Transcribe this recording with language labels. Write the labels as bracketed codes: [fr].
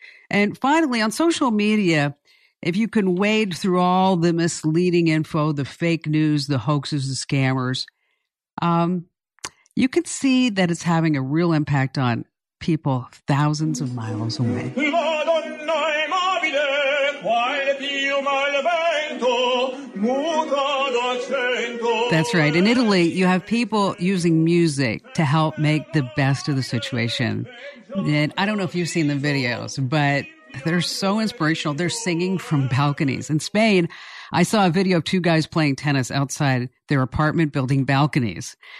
[en] And finally, on social media, if you can wade through all the misleading info, the fake news, the hoaxes, the scammers, you can see that it's having a real impact on people thousands of miles away. [it] Madonna è mobile, quale più mal vento, muta d'accento. [en] That's right. In Italy, you have people using music to help make the best of the situation. And I don't know if you've seen the videos, but they're so inspirational. They're singing from balconies. In Spain, I saw a video of two guys playing tennis outside their apartment building balconies.